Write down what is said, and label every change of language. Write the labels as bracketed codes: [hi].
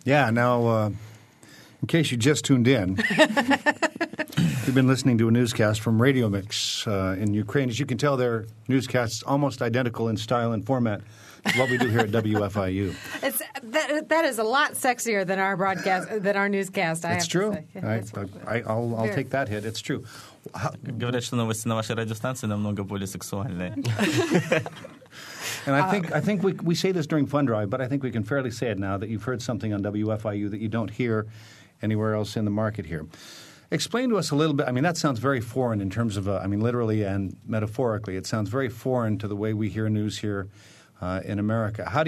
[en] In case you just tuned in, you've been listening to a newscast from Radio Mix in Ukraine. As you can tell, their newscast is almost identical in style and format to what we do here at WFIU. That is a lot sexier than our broadcast, than our newscast. I'll take that hit. It's true. [ru] Говорят, что новости на вашей радиостанции намного более сексуальные. [en] And I think we say this during Fun Drive, but I think we can fairly say it now that you've heard something on WFIU that you don't hear anywhere else in the market here. Explain to us a little bit. I mean, that sounds very foreign in terms of, literally and metaphorically, it sounds very foreign to the way we hear news here in America.